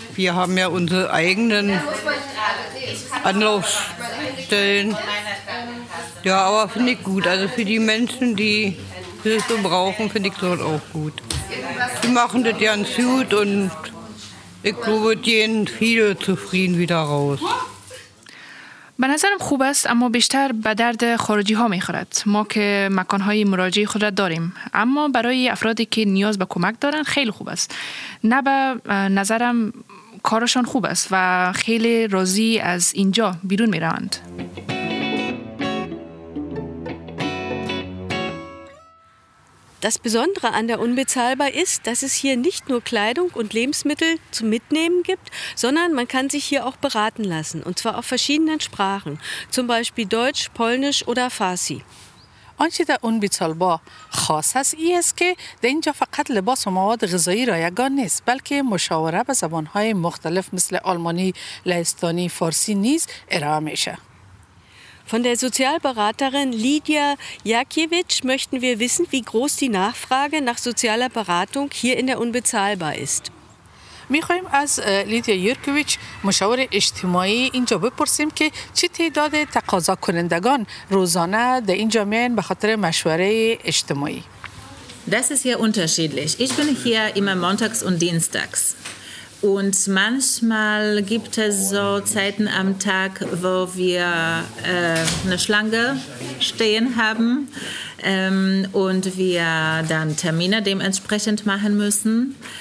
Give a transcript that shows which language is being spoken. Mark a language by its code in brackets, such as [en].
[de] Wir haben ja unsere eigenen Anlaufstellen. Ja, aber finde ich gut. Also für die Menschen, die Hilfe brauchen, finde ich das auch gut. Die machen das ganz gut und ich glaube, die gehen viele zufrieden wieder raus. [fa] به نظرم خوب است، اما بیشتر به درد خارجی ها می خورد. ما که مکان های مراجعه خود را داریم، اما برای افرادی که نیاز به کمک دارند خیلی خوب است. نه به نظرم کارشان خوب است و خیلی راضی از اینجا بیرون می روند. [de] Das Besondere an der Unbezahlbar ist, dass es hier nicht nur Kleidung und Lebensmittel zum Mitnehmen gibt, sondern man kann sich hier auch beraten lassen, und zwar auf verschiedenen Sprachen, zum Beispiel Deutsch, Polnisch oder Farsi. [fa] آنچه در اون بیتالبا خاص است ای است که در اینجا فقط لباس و مواد غذایی رایگان نیست بلکه مشاوره به زبانهای مختلف مثل آلمانی، لهستانی، فارسی نیز ارائه میشه. [de] Von der Sozialberaterin Lydia Jakiewicz möchten wir wissen, wie groß die Nachfrage nach sozialer Beratung hier in der Unbezahlbar ist. [fa] می‌خوایم از لیدیا یورکوویچ مشاور اجتماعی اینجا بپرسیم که چه تعداد تقاضا کنندگان روزانه در اینجا میان به خاطر مشوره اجتماعی. [de] Das ist hier unterschiedlich. Ich bin hier immer montags und dienstags. Und manchmal gibt es so Zeiten am Tag, wo wir eine Schlange stehen haben und wir dann Termine dementsprechend machen müssen.